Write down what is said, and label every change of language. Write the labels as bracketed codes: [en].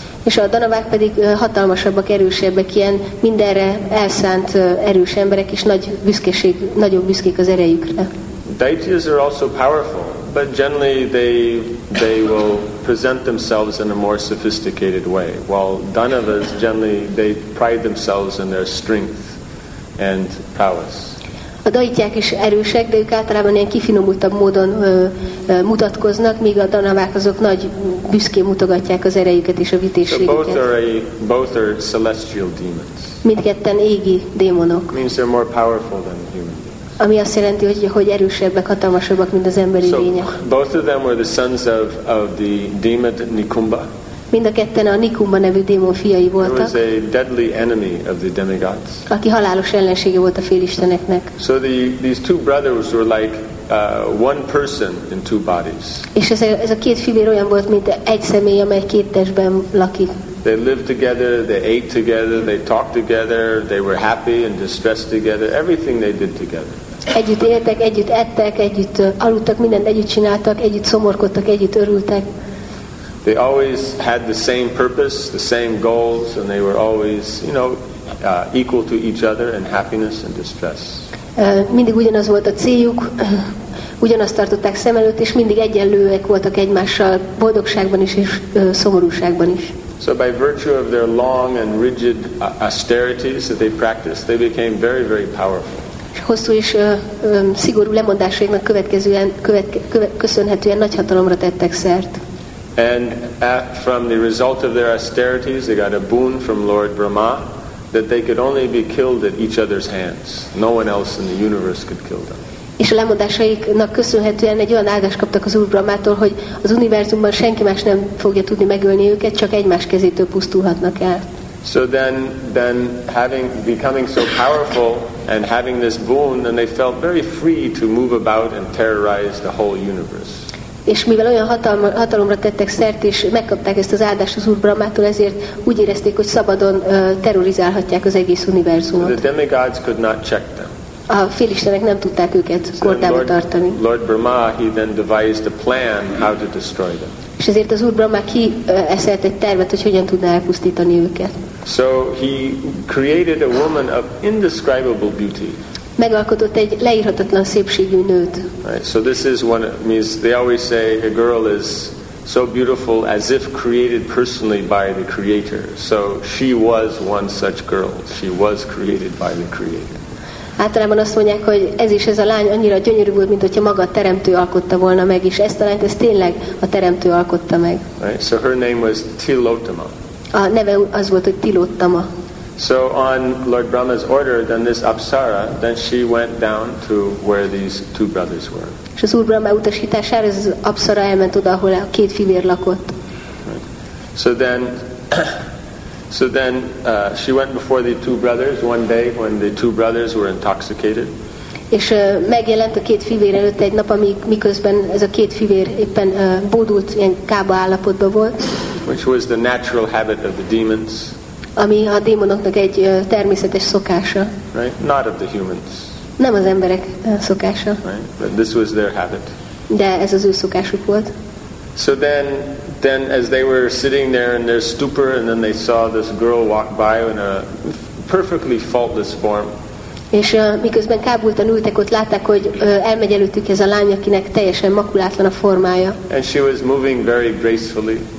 [hu] És a danavák pedig hatalmasabbak, erősebbek, ilyen mindenre elszánt erős emberek, és nagy büszkeség, nagyon büszkék az erejükre. [en] Daityas are also powerful, but generally they will present themselves in a more sophisticated way, while danavas generally they pride themselves in their strength and prowess. [hu] A daityák is erősek, de ők általában ilyen kifinomultabb módon mutatkoznak, míg a danavák azok nagy büszkén mutogatják az erejüket és a vitézségüket. [en] So both are celestial demons. [hu] Mindketten égi démonok. [en] Means they're more powerful than humans. [hu] Ami azt jelenti, hogy erősebbek, hatalmasabbak, mint az emberi lények. [en] Both of them were the sons of the demon Nikumba. [hu] Mind a ketten a Nikumba nevű démon fiai voltak. [en] Was a deadly enemy of the demigods. [hu] Aki halálos ellensége volt a félisteneknek. [en] So these two brothers were like one person in two bodies. [hu] És ez a két fivér olyan volt, mint egy személy, amely két testben lakik. [en] They lived together, they ate together, they talked together, they were happy and distressed together, everything they did together. [hu] Együtt éltek, együtt ettek, együtt aludtak, mindent együtt csináltak, együtt szomorkodtak, együtt örültek. [en] They always had the same purpose, the same goals, and they were always, you know, equal to each other in happiness and distress. [hu] Mindig ugyanaz volt a céljuk, ugyanazt tartották szem előtt, és mindig egyenlőek voltak egymással boldogságban is és szomorúságban is. [en] So by virtue of their long and rigid austerities that they practiced, they became very, very powerful. [hu] Hosszú és szigorú lemondásaiknak köszönhetően nagy hatalomra tettek szert. [en] And from the result of their austerities, they got a boon from Lord Brahma that they could only be killed at each other's hands. No one else in the universe could kill them. [hu] És a lemondásaiknak köszönhetően egy olyan áldást kaptak az Úr Brahmától, hogy az univerzumban senki más nem fogja tudni megölni őket, csak egymás kezétől pusztulhatnak el. [en] So then having becoming so powerful and having this boon, and they felt very free to move about and terrorize the whole universe. [hu] És mivel olyan hatalomra tettek szert, és megkapták ezt az áldást az Úr Brahmától, ezért úgy érezték, hogy szabadon terrorizálhatják az egész univerzumot. [en] The demigods could not check them. [hu] A félistenek nem tudták őket kordába tartani. [en] Lord Brahma, he then devised a plan how to destroy them. [hu] És ezért az Úr Brahma kieszelt egy tervet, hogy hogyan tudná elpusztítani őket. [en] So he created a woman of indescribable beauty. [hu] Megalkotott egy leírhatatlan szépségű nőt. [en] Right, so this is one means they always say a girl is so beautiful as if created personally by the creator. So she was one such girl. She was created by the creator. [hu] Általában azt mondják, hogy ez is ez a lány annyira gyönyörű volt, mint hogyha maga a teremtő alkotta volna meg, és ezt a lányt, ez tényleg a teremtő alkotta meg. [en] Right, so her name was Tilottama. [hu] A neve az volt, hogy Tilottama. [en] So on Lord Brahma's order, then this apsara, then she went down to where these two brothers were. [hu] És az Úr Brahma utasítására ez az apsara elment oda, ahol a két fivér lakott. [en] Right. So then she went before the two brothers one day when the two brothers were intoxicated. [hu] És megjelent a két fivér előtt egy nap, miközben ez a két fivér éppen bódult, ilyen kába állapotban volt. [en] Which was the natural habit of the demons. [hu] Ami a démonoknak egy természetes szokása. [en] Right? Not of the humans. [hu] Nem az emberek szokása. [en] Right? But this was their habit. [hu] De ez az ő szokásuk volt. [en] So then as they were sitting there in their stupor, and then they saw this girl walk by in a perfectly faultless form. [hu] És miközben kábultan ültek, ott látták, hogy elmegy előttük ez a lány, akinek teljesen makulátlan a formája. [en] And she was moving very gracefully.